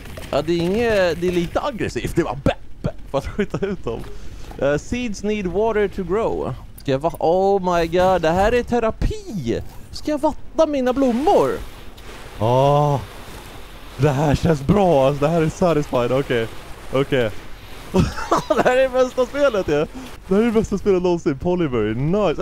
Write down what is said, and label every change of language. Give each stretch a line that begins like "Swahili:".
Swedish: Ja, det är inget, det är lite aggressivt. Det var för att skjuta ut dem.
English: Seeds need water to grow.
Swedish: Ska jag
English: oh my god,
Swedish: det här är terapi. Ska jag vattna mina blommor? Åh. Oh, det här känns bra. Alltså, det här är satisfying. Okej. Okej. Det här är bästa spelet, ja. Det här är bästa spelet någonsin. Polyberry. Nice.